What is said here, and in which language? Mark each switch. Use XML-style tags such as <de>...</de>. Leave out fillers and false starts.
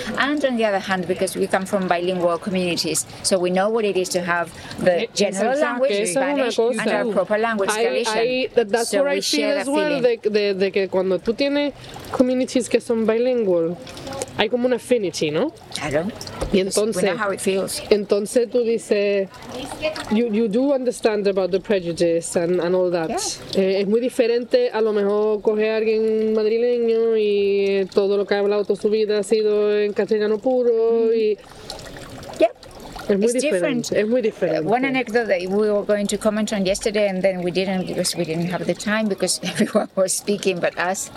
<en>And on the other hand, because we come from bilingual communities, so we know what it is to have the general language, Spanish, and our proper language, Galician. That's what I feel as well,</en> <es>de que cuando tú tienes communities que son bilingual, hay como una affinity, ¿no? Claro. Y entonces,</es> <en>we know how it feels.</en> <es>Entonces tú dices,</es> <en>you do understand about the prejudice and all that. Yeah.</en> <es>Es muy diferente a lo mejor coger a alguien madrileño y todo lo que ha hablado toda su vida ha sido en castellano puro y...</es> <en>It's different. One anecdote that we were going to comment on yesterday, and then we didn't because we didn't have the time because everyone was speaking but us.</en>